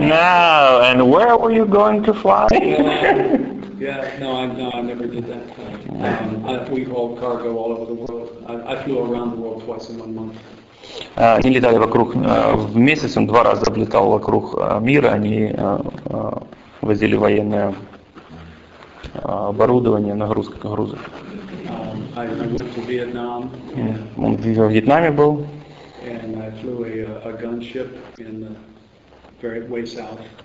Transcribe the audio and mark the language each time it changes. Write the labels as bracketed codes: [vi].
[en] No, and where were you going to fly? I never did that. We hauled cargo all over the world. I flew around the world twice in 1 month. [ru] Они летали вокруг, в месяц он 2 раза облетал вокруг мира, они возили военное оборудование, нагрузка грузов. Он в Вьетнаме был. [en] And I flew a gunship in the very way south.